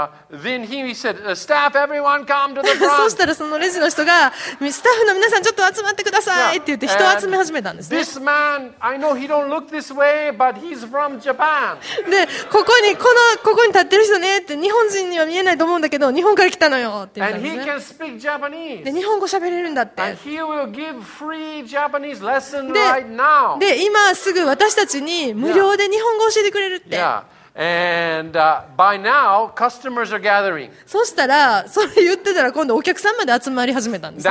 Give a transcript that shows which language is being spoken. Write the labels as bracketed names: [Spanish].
[English] Then he said, staff, everyone, come to the front. [Japanese] そしたらそのレジの人がスタッフの皆さんちょっと集まってくださいって言って人を集め始めたんですね。 [English] This man, I know he don't look this way, but he's from Japan. [Japanese] で、ここに立ってる人ねって日本人には見えないと思うんだけど日本から来たのよって言ったんですね。 [English] And he can speak Japanese. [Japanese] で、日本語喋れるんだって。 [English] And he will give free Japanese lesson right now. [Japanese] で、今すぐ私たちに無料で日本語教えてくれるって。 [English] Yeah. And by now, customers are gathering. [Japanese] そしたら、それ言ってたら今度お客さんまで集まり始めたんですね。